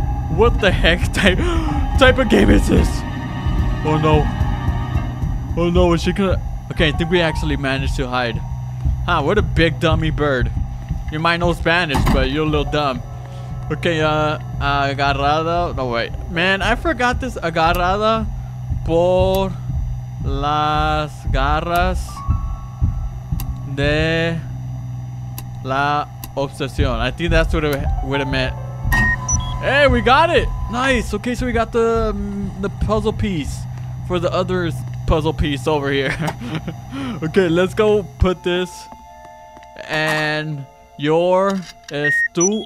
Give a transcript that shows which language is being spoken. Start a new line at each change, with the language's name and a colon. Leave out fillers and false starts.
English: What the heck type of game is this? Oh no. Oh no, is she gonna... Okay, I think we actually managed to hide. Huh, what a big dummy bird. You might know Spanish, but you're a little dumb. Okay, agarrada... No, wait. Man, I forgot this.
Spanish: Agarrada por las garras de la obsesión.
English: I think that's what it meant. Hey, we got it! Nice! Okay, so we got the puzzle piece for the other puzzle piece over here. Okay, let's go put this. And your stool.